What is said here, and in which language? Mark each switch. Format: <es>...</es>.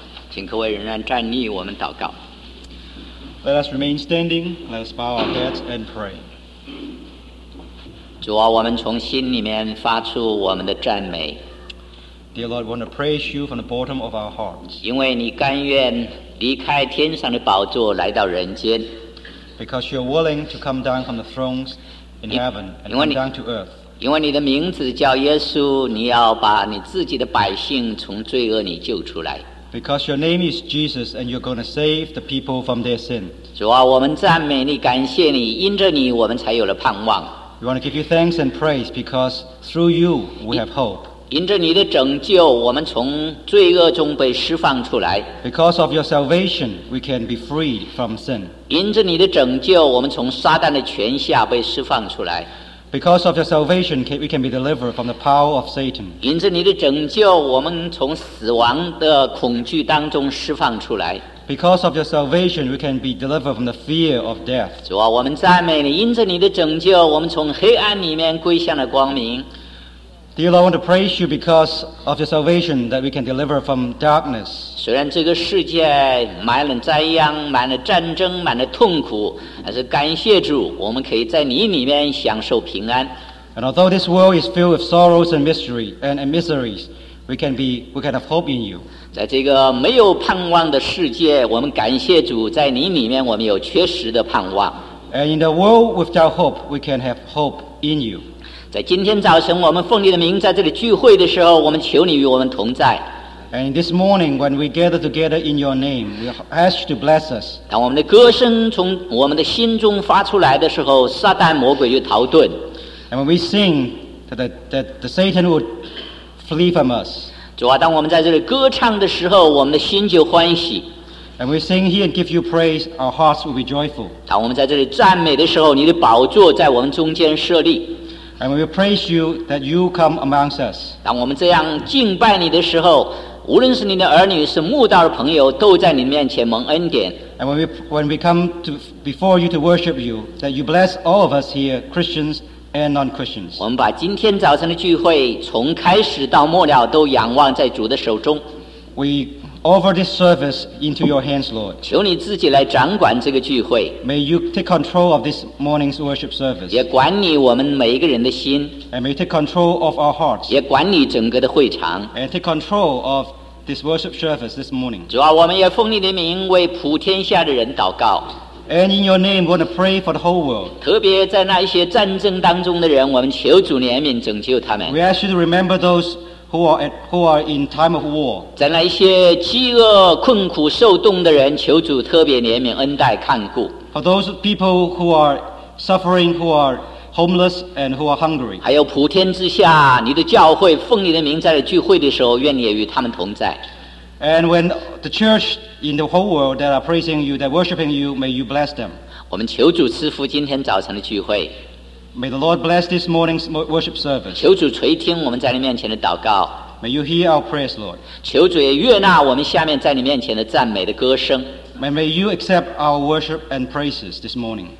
<zh>请各位仍然站立，我们祷告。</zh> <en>Let us remain standing. Let us bow our heads and pray.</en> <zh>主啊，我们从心里面发出我们的赞美。</zh> <en>Dear Lord, we want to praise you from the bottom of our hearts.</en> <zh>因为你甘愿离开天上的宝座来到人间。</zh> <en>Because you are willing to come down from the thrones in heaven and come down to earth.</en> <zh>因为你的名字叫耶稣，你要把你自己的百姓从罪恶里救出来。</zh> <en>Because your name is Jesus, and you're going to save the people from their sin.</en> <zh>主啊，我们赞美你，感谢你，因着你，我们才有了盼望。</zh> <en>We want to give you thanks and praise because through you we have hope.</en> <zh>因着你的拯救，我们从罪恶中被释放出来。</zh> <en>Because of your salvation, we can be freed from sin.</en> <zh>因着你的拯救，我们从撒旦的权下被释放出来。</zh> <en>Because of your salvation, we can be delivered from the power of Satan.</en> <zh>因着你的拯救，我们从死亡的恐惧当中释放出来。</zh> <en>Because of your salvation, we can be delivered from the fear of death.</en> <zh>主啊，我们赞美你，因着你的拯救，我们从黑暗里面归向了光明。</zh> <en>Dear Lord, I want to praise you because of your salvation that we can deliver from darkness.</en> <zh>虽然这个世界满了灾殃，满了战争，满了痛苦，但是感谢主，我们可以在你里面享受平安。</zh> <en>And although this world is filled with sorrows and mystery and miseries, we can have hope in you.</en> <zh>在这个没有盼望的世界，我们感谢主，在你里面我们有确实的盼望。</zh> <en>And in the world without hope, we can have hope in you.</en> <zh>在今天早晨，我们奉你的名在这里聚会的时候，我们求你与我们同在。</zh> <en>And this morning, when we gather together in your name, we ask you to bless us.</en> <zh>当我们的歌声从我们的心中发出来的时候，撒旦魔鬼就逃遁。</zh> <en>And when we sing, that the Satan would flee from us.</en> <zh>主啊，当我们在这里歌唱的时候，我们的心就欢喜。</zh> <en>And we sing here and give you praise, our hearts will be joyful.</en> <zh>当我们在这里赞美的时候，你的宝座在我们中间设立。</zh> <en>And we praise you that you come amongst us.</en> <zh>当我们这样敬拜你的时候，无论是你的儿女，是慕道的朋友，都在你面前蒙恩典。</zh> <en>And when we come to before you to worship you, that you bless all of us here, Christians and non-Christians.</en> <zh>我们把今天早晨的聚会从开始到末了都仰望在主的手中。</zh> <en>We offer this service into your hands, Lord.</en> <zh>求你自己来掌管这个聚会。</zh> <en>May you take control of this morning's worship service.</en> <zh>也管理我们每一个人的心。</zh> <en>And may you take control of our hearts.</en> <zh>也管理整个的会场。</zh> <en>And take control of this worship service this morning.</en> <zh>主啊，我们也奉你的名为普天下的人祷告。</zh> <en>And in your name, we want to pray for the whole world.</en> <zh>特别在那一些战争当中的人，我们求主怜悯拯救他们。</zh> <en>We ask you to remember those. Who are in time of war?</en> <zh>在那一些饥饿、困苦、受冻的人，求主特别怜悯、恩待、看顾。</zh> <en>For those people who are suffering, who are homeless, and who are hungry.</en> <zh>还有普天之下，你的教会奉你的名在聚会的时候，愿你也与他们同在。</zh> <en>And when the church in the whole world that are praising you, that worshiping you, may you bless them.</en> <zh>我们求主赐福今天早晨的聚会。</zh> <en>May the Lord bless this morning's worship service.</en> <zh>求主垂听我们在你面前的祷告。</zh> <en>May you hear our prayers, Lord.</en> <zh>求主也悦纳我们下面在你面前的赞美的歌声。</zh> <en>May you accept our worship and praises this morning.</en>